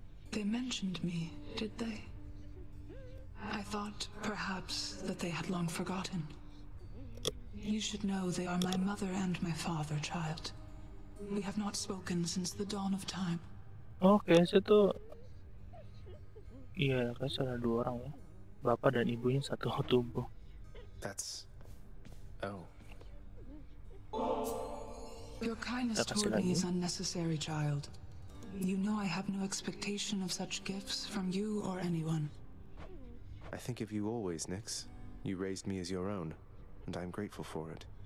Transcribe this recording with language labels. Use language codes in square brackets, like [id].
[en] They mentioned me, did they? I thought perhaps that they had long forgotten. You should know they are my mother and my father, child. We have not spoken since the dawn of time. [id] Okay, situ. Iya, kayaknya salah dua orang ya. Bapak dan ibunya satu tubuh. [en] That's... Oh. Your kindness toward me is unnecessary, child. You know I have no expectation of such gifts from you or anyone. I think of you always, Nix. You raised me as your own, and I'm grateful for it.